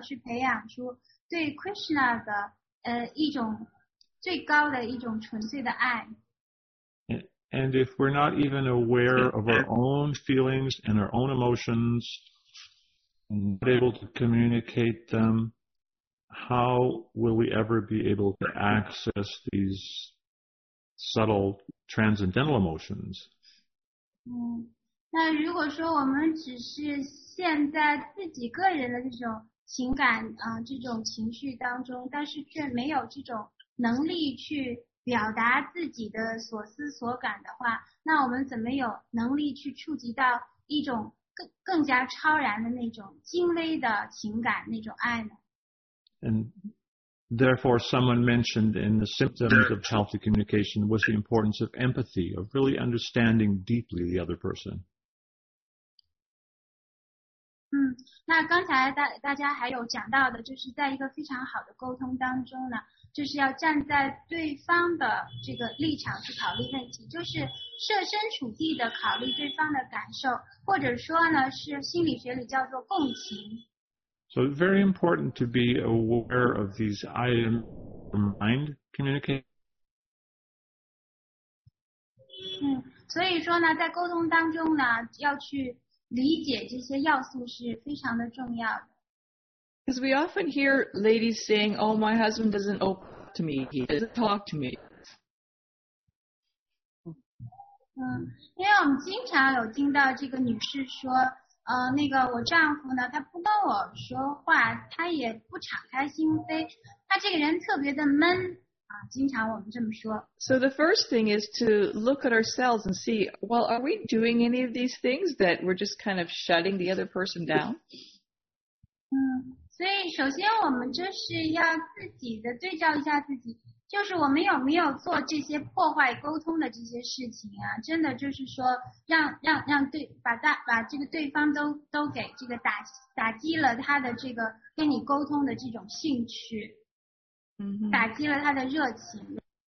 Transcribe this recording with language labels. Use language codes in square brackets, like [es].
[zh] 因为呢，从终极而言，从这个顶点而言，我们都是想要去培养出对 Krishna 的一种最高的一种纯粹的爱。 [en] And if we're not even aware of our own feelings and our own emotions, not able to communicate them, how will we ever be able to access these subtle transcendental emotions? [zh] 那如果说我们只是陷在自己个人的这种情感，这种情绪当中，但是却没有这种能力去 表达自己的所思所感的话，那我们怎么有能力去触及到一种更加超然的那种精微的情感，那种爱呢？ [en] And therefore, someone mentioned in the symptoms of healthy communication was the importance of empathy, of really understanding deeply the other person. [zh] 那刚才大家还有讲到的，就是在一个非常好的沟通当中呢。就是要站在对方的这个立场去考虑问题，就是设身处地的考虑对方的感受，或者说呢，是心理学里叫做共情。 [en] So very important to be aware of these items of mind communication. [zh] 所以说呢，在沟通当中呢，要去理解这些要素是非常的重要的。 [en] Because we often hear ladies saying, oh, my husband doesn't open up to me, he doesn't talk to me. [zh] 因为我们经常有听到这个女士说，那个我丈夫呢，他不跟我说话，他也不敞开心扉，他这个人特别的闷，经常我们这么说。 [en] So the first thing is to look at ourselves and see, well, are we doing any of these things that we're just kind of shutting the other person down? [zh] 所以首先我们就是要自己的对照一下自己，就是我们有没有做这些破坏沟通的这些事情啊，真的就是说让对把这个对方都给这个打击了他的这个跟你沟通的这种兴趣，打击了他的热情。